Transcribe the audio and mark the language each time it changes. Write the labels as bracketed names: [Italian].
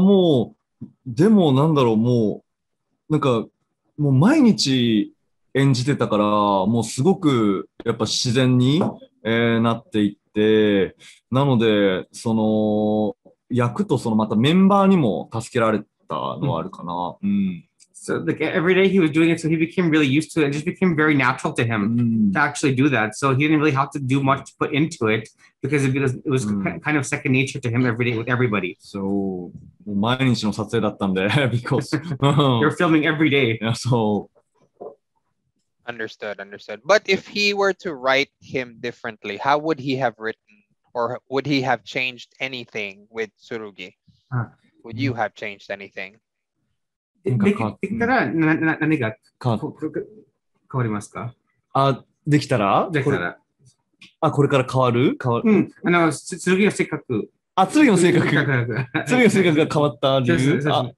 [Japanese] もう、でもなんだろう、もう、なんか、もう毎日演じてたから、もうすごくやっぱ自然に、なっていって、なので、その、役とそのまたメンバーにも助けられたのはあるかな。 [English] So like every day he was doing it, so he became really used to it and just became very natural to him to actually do that. So he didn't really have to do much to put into it because it was kind of second nature to him every day with everybody. [Japanese] So, 毎日の撮影だったんで [English] because you're filming every day. Yeah, so understood. But if he were to write him differently, how would he have written or would he have changed anything with Tsurugi? Would you have changed anything? [Japanese] できたら何が変わりますか？あ、できたら？できたら。あ、これから変わる？変わる。うん。あの、剣の性格。あ、剣の性格。剣の性格が変わった理由？あ、